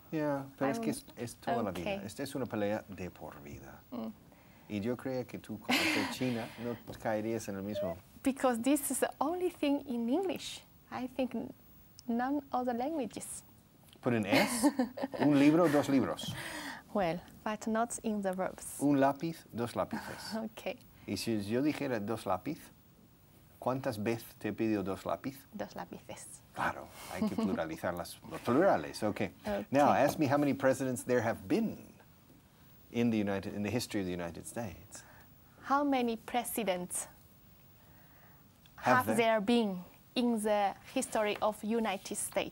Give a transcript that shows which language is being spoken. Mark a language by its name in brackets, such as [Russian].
[Spanish] Yeah, pero es que es toda la vida. Esta es una pelea de por vida. Y yo creía que tú, como China, no caerías en el mismo. [English] Because this is the only thing in English. I think none other languages. Put an S? [Spanish] Un libro, dos libros. [English] Well, but not in the verbs. [Spanish] Un lápiz, dos lápices. [English] Okay. [Spanish] Y si yo dijera dos lápiz, ¿cuántas veces te he pedido dos lápiz? Dos lápices. Claro, hay que pluralizar las plurales. Okay. [English] Now, ask me how many presidents there have been in the history of the United States. How many presidents have there been in the history of United States?